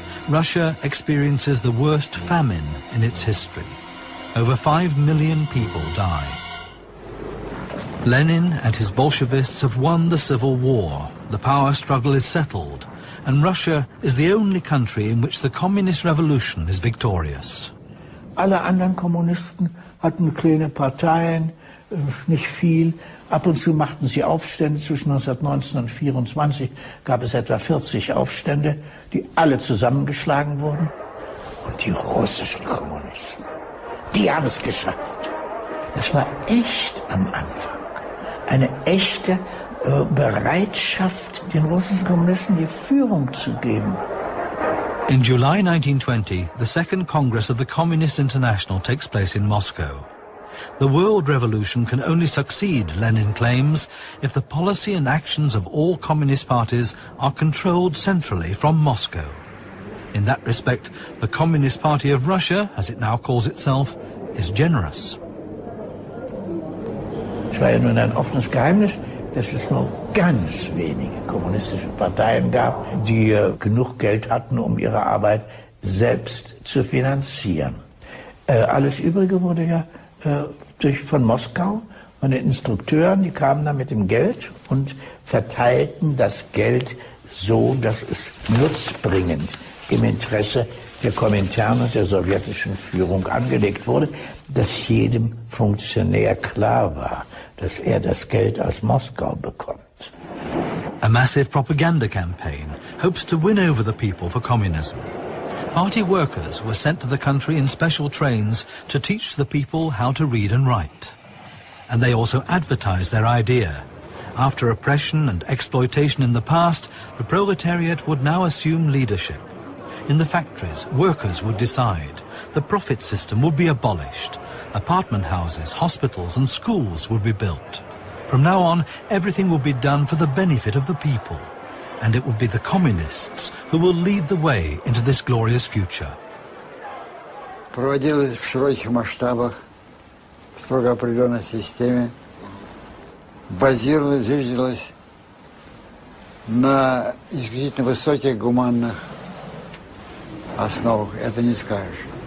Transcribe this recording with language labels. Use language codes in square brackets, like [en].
[en] Russia experiences the worst famine in its history. Over 5 million people die. Lenin and his Bolshevists have won the civil war. The power struggle is settled. And Russia is the only country in which the communist revolution is victorious. [de] Alle anderen Kommunisten hatten kleine Parteien, nicht viel. Ab und zu machten sie Aufstände. Zwischen 1919 und 1924 gab es etwa 40 Aufstände, die alle zusammengeschlagen wurden. Und die russischen Kommunisten, die haben es geschafft. Das war echt am Anfang. Eine echte Bereitschaft, den russischen Kommunisten die Führung zu geben. [en] In July 1920, the second Congress of the Communist International takes place in Moscow. The world revolution can only succeed, Lenin claims, if the policy and actions of all communist parties are controlled centrally from Moscow. In that respect, the Communist Party of Russia, as it now calls itself, is generous. [de] Es war ja nun ein offenes Geheimnis, dass es nur ganz wenige kommunistische Parteien gab, die genug Geld hatten, um ihre Arbeit selbst zu finanzieren. Alles Übrige wurde ja von Moskau, von den Instrukteuren, die kamen dann mit dem Geld und verteilten das Geld so, dass es nutzbringend im Interesse der Komintern und der sowjetischen Führung angelegt wurde, dass jedem Funktionär klar war, dass er das Geld aus Moskau bekommt. [en] A massive propaganda campaign hopes to win over the people for communism. Party workers were sent to the country in special trains to teach the people how to read and write. And they also advertised their idea. After oppression and exploitation in the past, the proletariat would now assume leadership. In the factories, workers would decide. The profit system would be abolished. Apartment houses, hospitals and schools would be built. From now on, everything would be done for the benefit of the people. And it will be the communists who will lead the way into this glorious future. [ru] Проводилось в широких масштабах, в строго определенной системе, базировалось, зиждилось на исключительно высоких гуманных основах, это не скажешь.